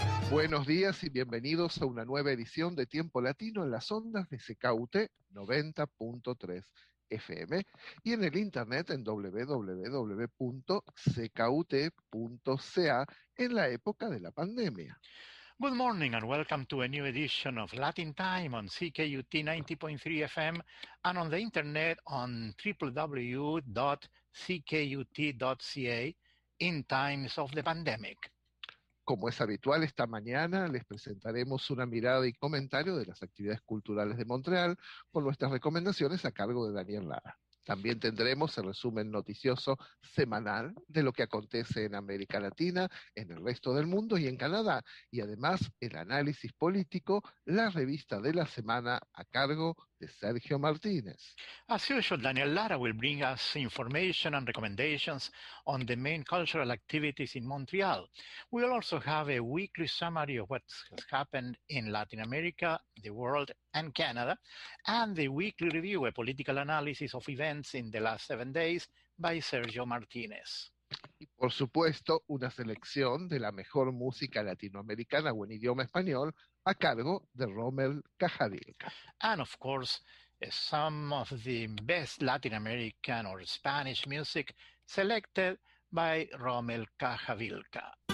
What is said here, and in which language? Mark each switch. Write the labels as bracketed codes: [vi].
[es] Buenos días y bienvenidos a una nueva edición de Tiempo Latino en las ondas de CKUT 90.3 FM y en el internet en www.ckut.ca en la época de la pandemia. [en] Good morning and welcome to a new edition of Latin Time on CKUT 90.3 FM and on the internet on www.ckut.ca in times of the pandemic. [es] Como es habitual, esta mañana les presentaremos una mirada y comentario de las actividades culturales de Montreal con nuestras recomendaciones a cargo de Daniel Lara. También tendremos el resumen noticioso semanal de lo que acontece en América Latina, en el resto del mundo y en Canadá. Y además, el análisis político, la revista de la semana a cargo de Sergio Martínez. [en] As usual, Daniel Lara will bring us information and recommendations on the main cultural activities in Montreal. We'll also have a weekly summary of what has happened in Latin America, the world, and Canada, and the weekly review, a political analysis of events in the last 7 days, by Sergio Martínez. [es] Y por supuesto, una selección de la mejor música latinoamericana o en idioma español a cargo de Rommel Cajadilca. [en] And of course, some of the best Latin American or Spanish music selected by Rommel Cajadilca.